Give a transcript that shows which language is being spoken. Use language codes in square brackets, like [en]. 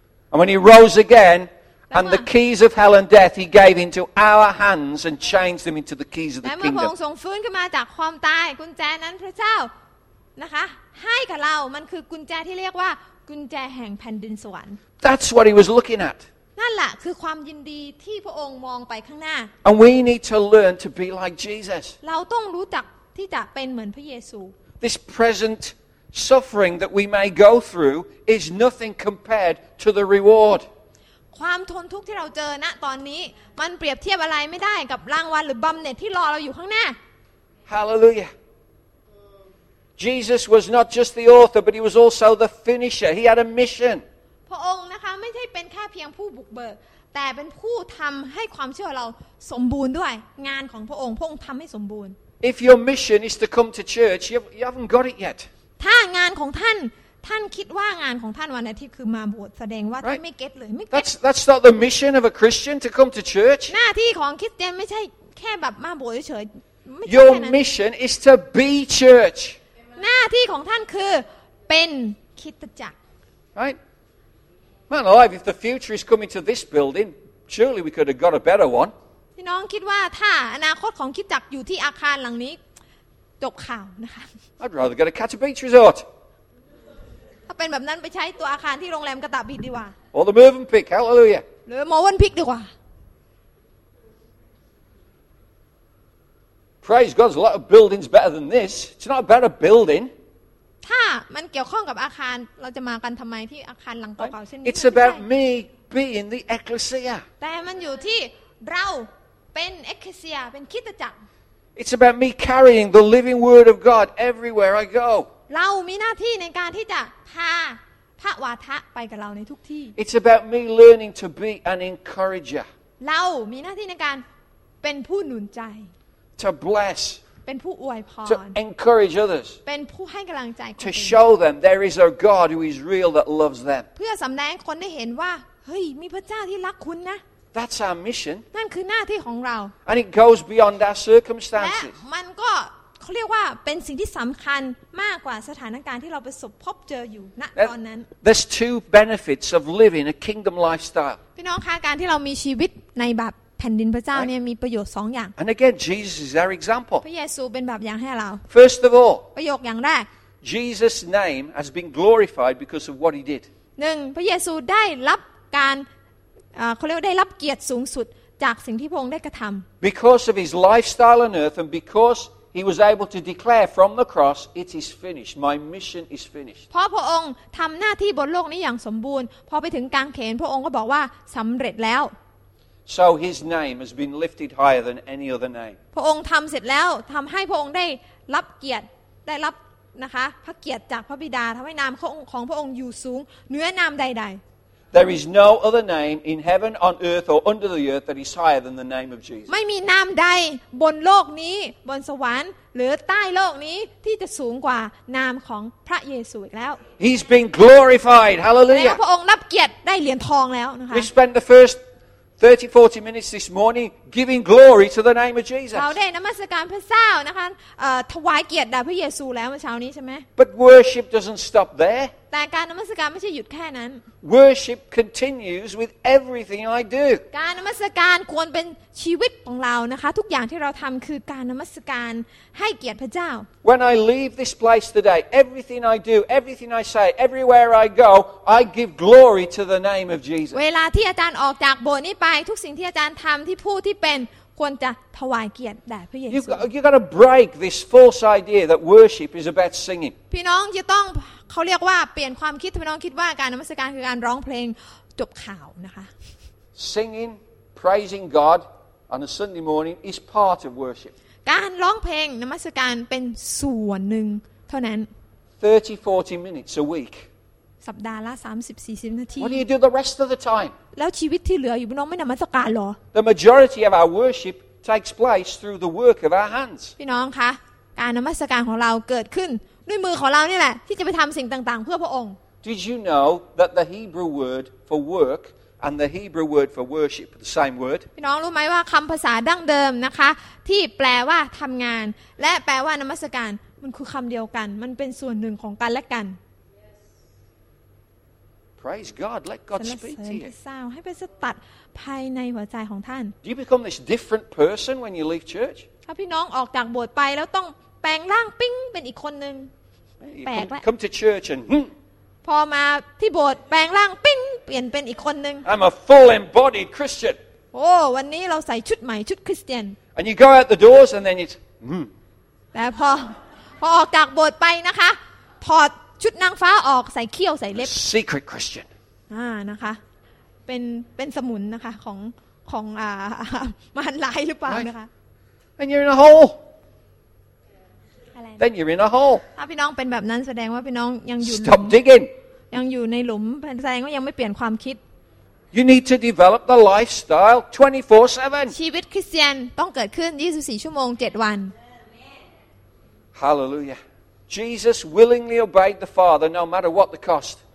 [en] And when he rose again and the keys of hell and death he gave into our hands and changed them into the keys of the kingdom [th] แล้วพระองค์ทรงฟื้นขึ้นมาจากความตายกุญแจนั้นพระเจ้านะคะให้กับเรามันคือกุญแจที่เรียกว่ากุญแจแห่งแผ่นดินสวรรค์ [en] That's what he was looking at [th] นั่นแหละคือความยินดีที่พระองค์มองไปข้างหน้า [en] And we need to learn to be like Jesus [th] เราต้องรู้จัก ที่จะเป็นเหมือนพระเยซู [en] This present suffering that we may go through is nothing compared to the reward [th] ความทนทุกข์ที่เราเจอณตอนนี้มันเปรียบเทียบอะไรไม่ได้กับรางวัลหรือบําเหน็จที่รอเราอยู่ข้างหน้า [en] HallelujahJesus was not just the author, but he was also the finisher. He had a mission. [th] พระองค์นะคะไม่ใช่เป็นแค่เพียงผู้บุกเบิกแต่เป็นผู้ทำให้ความเชื่อเราสมบูรณ์ด้วยงานของพระองค์พระองค์ทำให้สมบูรณ์ [en] If your mission is to come to church, you haven't got it yet. [th] ถ้างานของท่านคิดว่างานของท่านวันอาทิตย์คือมาบวชแสดงว่าท่านไม่เก็ทเลยไม่เก็ท [en] That's not the mission of a Christian to come to church. [th] หน้าที่ของคริสเตียนไม่ใช่แค่แบบมาบวชเฉยๆ [en] Your mission is to be church. [th] หน้าที่ของท่านคือเป็นคริสตจักร [en] Right Man alive if the future is coming to this building surely we could have got a better one [th] พี่น้องคิดว่าถ้าอนาคตของคริสตจักรอยู่ที่อาคารหลังนี้จบข่าวนะคะ [en] I'd rather go to Catch a Beach Resort [th] ถ้าเป็นแบบนั้นไปใช้ตัวอาคารที่โรงแรมกระตะบิดดีกว่า [en] Or the Mervynpick Hallelujah [th] หรือ Mervynpick ดีกว่า [en] Praise God, there's a lot of buildings better than this. It's not a better building. [th] ถ้ามันเกี่ยวข้องกับอาคารเราจะมากันทำไมที่อาคารหลังเก่าๆเช่นนี้ [en] It's about me being the ecclesia. [th] แต่มันอยู่ที่เราเป็น ecclesia เป็นคริสตจักร [en] It's about me carrying the living word of God everywhere I go. [th] เรามีหน้าที่ในการที่จะพาพระวาทะไปกับเราในทุกที่ [en] It's about me learning to be an encourager. [th] เรามีหน้าที่ในการเป็นผู้หนุนใจ [en] To bless, [th] เป็นผู้อวยพร [en] to encourage others, [th] เป็นผู้ให้กำลังใจ [en] to show them there is a God who is real that loves them. [th] เพื่อสำแดงคนได้เห็นว่าเฮ้ยมีพระเจ้าที่รักคุณนะ [en] That's our mission. [th] นั่นคือหน้าที่ของเรา [en] And it goes beyond our circumstances. [th] และมันก็เขาเรียกว่าเป็นสิ่งที่สำคัญมากกว่าสถานการณ์ที่เราประสบพบเจออยู่ณตอนนั้น [en] There's two benefits of living a kingdom lifestyle. [th] พี่น้องคะการที่เรามีชีวิตในแบบแผ่นดินพระเจ้าเนี่ยมีประโยชน์สองอย่าง [en] And again Jesus is our example [th] พระเยซูเป็นแบบอย่างให้เรา [en] First of all [th] ประโยคอย่างแรก [en] Jesus name has been glorified because of what he did [th] 1พระเยซูได้รับการเขาเรียกได้รับเกียรติสูงสุดจากสิ่งที่พระองค์ได้กระทำ [en] Because of his lifestyle on earth and because he was able to declare from the cross it is finished my mission is finished [th] เพราะพระองค์ทำหน้าที่บนโลกนี้อย่างสมบูรณ์พอไปถึงกางเขนพระองค์ก็บอกว่าสำเร็จแล้ว [en] So his name has been lifted higher than any other name. [th] พระองค์ทำเสร็จแล้วทำให้พระองค์ได้รับเกียรติได้รับนะคะพระเกียรติจากพระบิดาทำให้นามของพระองค์อยู่สูงเหนือนามใด [en] ๆ There is no other name in heaven on earth or under the earth that is higher than the name of Jesus. [th] ไม่มีนามใดบนโลกนี้บนสวรรค์หรือใต้โลกนี้ที่จะสูงกว่านามของพระเยซูอีกแล้ว [en] He's been glorified. Hallelujah. [th] พระองค์รับเกียรติได้เหรียญทองแล้วนะคะ [en] We spent the first 30-40 minutes this morning giving glory to the name of Jesus. [th] เราได้นมัสการพระเจ้านะคะถวายเกียรติแด่พระเยซูแล้วเมื่อเช้านี้ใช่ไหม [en] But worship doesn't stop there. [th] แต่การนมัสการไม่ใช่หยุดแค่นั้น [en] Worship continues with everything I do. [th] การนมัสการควรเป็นชีวิตของเรานะคะทุกอย่างที่เราทำคือการนมัสการให้เกียรติพระเจ้า [en] When I leave this place today, everything I do, everything I say, everywhere I go, I give glory to the name of Jesus. [th] เวลาที่อาจารย์ออกจากโบสถ์นี้ไปทุกสิ่งที่อาจารย์ทำที่พูดที่เป็นควรจะถวายเกียรติแด่พระเยซู [en] You've got to break this false idea that worship is about singing. [th] พี่น้องจะต้องเขาเรียกว่าเปลี่ยนความคิดพี่น้องคิดว่าการนมัสการคือการร้องเพลงจบข่าวนะคะ [en] Singing praising God on a Sunday morning is part of worship. [th] การร้องเพลงนมัสการเป็นส่วนหนึ่งเท่านั้น [en] 30-40 minutes a week. [th] สัปดาห์ละ 30-40 นาที [en] What do you do the rest of the time? [th] แล้วชีวิตที่เหลืออยู่พี่น้องไม่นมัสการหรอ [en] The majority of our worship takes place through the work of our hands. [th] พี่น้องคะการนมัสการของเราเกิดขึ้นด้วยมือของเรานี่แหละที่จะไปทำสิ่งต่างๆเพื่อพระองค์ [en] Did you know that the Hebrew word for work and the Hebrew word for worship are the same word? [th] พี่น้องรู้ไหมว่าคำภาษาดั้งเดิมนะคะที่แปลว่าทำงานและแปลว่านมัสการมันคือคำเดียวกันมันเป็นส่วนหนึ่งของกันและกัน [en] Praise God. Let God speak to you. [th] ให้พระเจ้าตัดภายในหัวใจของท่าน [en] Do you become this different person when you leave church? [th] ถ้าพี่น้องออกจากโบสถ์ไปแล้วต้องแปลงร่างปิ้งเป็นอีกคนนึงแปลกแล้ว [en] Come to church and [th] พอมาที่โบสถ์แปลงร่างปิ้งเปลี่ยนเป็นอีกคนนึง [en] I'm a full embodied Christian. [th] โอ้วันนี้เราใส่ชุดใหม่ชุดคริสเตียน [en] And you go out the doors and then it's [th] แต่พอออกจากโบสถ์ไปนะคะถอดชุดนางฟ้าออกใส่เขี้ยวใส่เล็บ [en] secret christian [th] นะคะเป็นสมุนนะคะของมารร้ายหรือเปล่านะคะ [en] and you're in a hole [th] อะไร [en] then you're in a hole [th] ถ้าพี่น้องเป็นแบบนั้นแสดงว่าพี่น้องยังอยู่ [en] stop digging [th] ยังอยู่ในหลุมแสดงว่ายังไม่เปลี่ยนความคิด [en] You need to develop the lifestyle 24/7. [th] ชีวิตคริสเตียนต้องเกิดขึ้น24ชั่วโมง7วัน [en] Hallelujah. Jesus willingly obeyed the Father no matter what the cost.